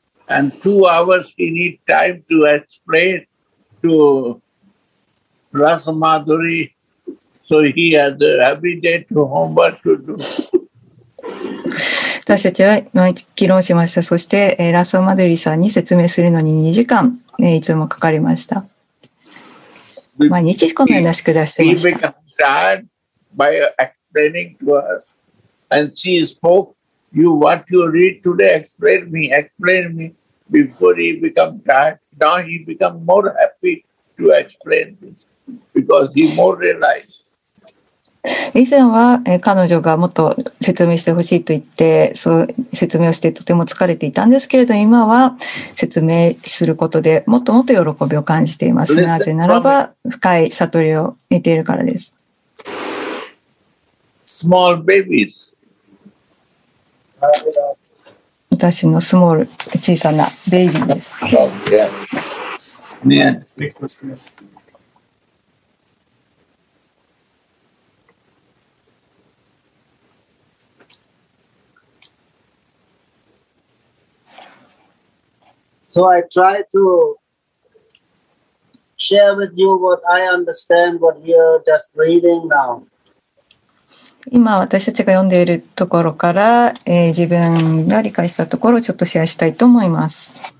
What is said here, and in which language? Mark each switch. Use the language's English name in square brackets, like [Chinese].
[English] We discussed, and 2 hours he need time to explain to Rasa Madhuri, so he has every day to homework to do. [Japanese] 私たちは議論しました。そして、ラソマデリさんに説明するのに2時間、いつもかかりました。毎日このような宿題してました。 [English] He became sad by explaining to us. And she spoke, you what you read today, explain me, before he became sad. Now he became more happy to explain this, because he more realized. [Japanese] 以前は彼女がもっと説明してほしいと言って、そう説明をしてとても疲れていたんですけれど、今は説明することでもっともっと喜びを感じています。なぜならば深い悟りを得ているからです。 [English] Small babies. [Japanese] 私のスモール、小さなベイビーです。ねえ。 [English] So I try to share with you what I understand, what you're just reading now. [Japanese] 今私たちが読んでいるところから、自分が理解したところをちょっとシェアしたいと思います。